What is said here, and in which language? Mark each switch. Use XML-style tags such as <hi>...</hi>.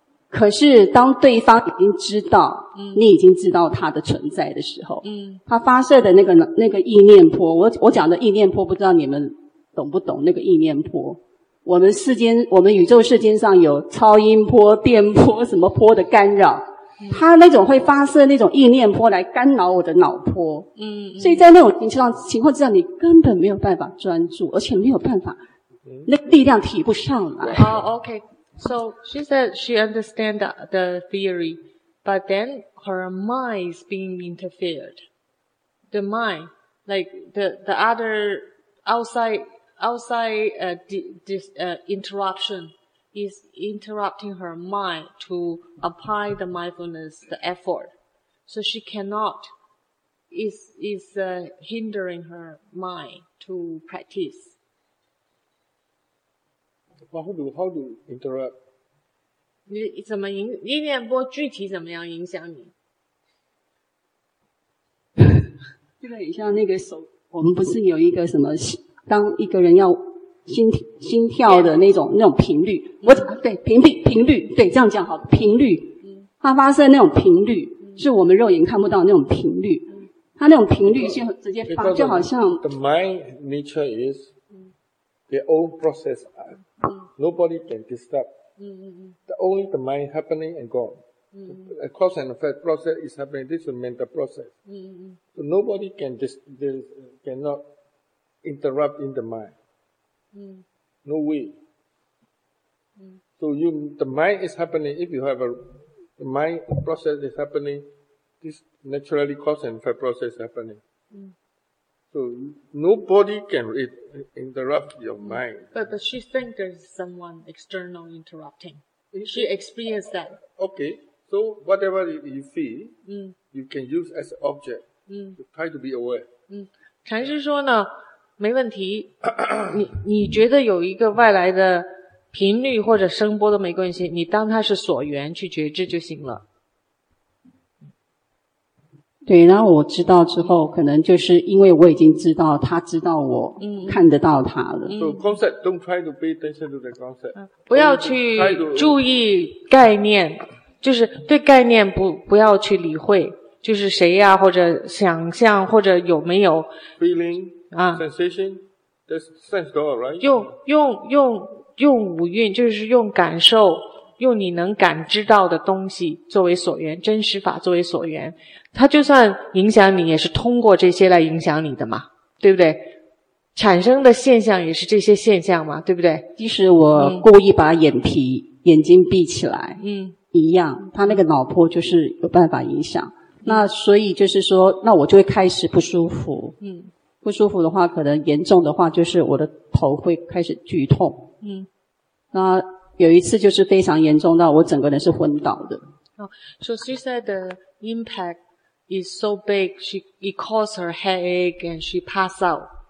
<zh>可是当对方已经知道、你已经知道他的存在的时候、他发射的那个意念波，我讲的意念波不知道你们懂不懂，那个意念波我们宇宙世间上有超音波电波什么波的干扰，他那种会发射那种意念波来干扰我的脑波、所以在那种情况之下你根本没有办法专注，而且没有办法、那力量提不上来。</zh> <en>OK, so she said she understand the theory, but then her mind is being interfered. The mind, like the other outside interruption. Is interrupting her mind to apply the mindfulness, the effort. So she cannot, is hindering her mind to practice. How do interrupt?</en> <zh>你怎么影意念波具体怎么样影响你？这个很像那个手，我们不是有一个什么，当一个人要心跳的那种、那种频率，我对频率对这样讲好，频率它发射那种频率是我们肉眼看不到的那种频率，它那种频率是直接发，就好像</zh> <en>the mind nature is the old process, nobody can disturb, the only the mind happening and gone, the cause and effect process is happening, this is the mental process, so nobody cannot interrupt in the mindNo way. So the mind is happening. If you have a mind process is happening, this naturally cause and effect process is happening. So nobody can interrupt your mind. But she thinks there is someone external interrupting. She experienced that. Okay. So whatever you feel, you can use as an object. Try to be aware.</en> <zh>禅师说呢没问题，你觉得有一个外来的频率或者声波都没关系，你当它是所缘去觉知就行了。对，然后我知道之后，可能就是因为我已经知道他知道我看得到他了。</zh> <en>So concept, don't try to pay attention to the concept.</en> <zh>不要去注意概念，就是对概念不要去理会，就是谁呀、或者想象或者有没有</zh> <en>feeling。 Sensation, that's sense door, right?</en> <zh>用五蕴，就是用感受，用你能感知到的东西作为所缘，真实法作为所缘，它就算影响你，也是通过这些来影响你的嘛，对不对？产生的现象也是这些现象嘛，对不对？即使我故意把眼皮、眼睛闭起来，一样，它那个脑波就是有办法影响。那所以就是说，那我就会开始不舒服，不舒服的话，可能严重的话就是我的头会开始剧痛。那有一次就是非常严重到我整个人是昏倒的。</zh> <en>So she said the impact is so big, it caused her headache and she passed out.</en>